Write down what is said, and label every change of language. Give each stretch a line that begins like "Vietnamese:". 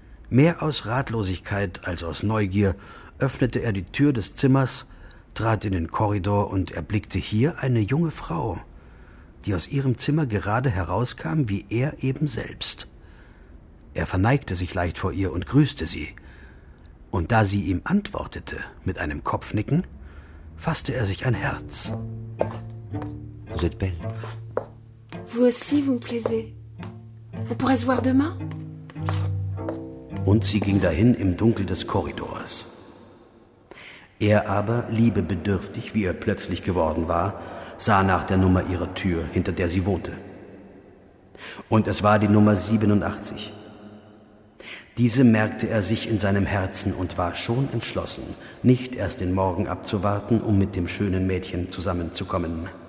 German: Mehr aus Ratlosigkeit als aus Neugier öffnete er die Tür des Zimmers, trat in den Korridor und erblickte hier eine junge Frau, die aus ihrem Zimmer gerade herauskam wie er eben selbst. Er verneigte sich leicht vor ihr und grüßte sie. Und da sie ihm antwortete mit einem Kopfnicken, fasste er sich ein Herz.
French: Vous êtes belle. Vous aussi, vous me plaisez. On pourrait se voir demain?
German: Und sie ging dahin im Dunkel des Korridors. Er aber, liebebedürftig, wie er plötzlich geworden war, sah nach der Nummer ihrer Tür, hinter der sie wohnte. Und es war die Nummer 87. Diese merkte er sich in seinem Herzen und war schon entschlossen, nicht erst den Morgen abzuwarten, um mit dem schönen Mädchen zusammenzukommen.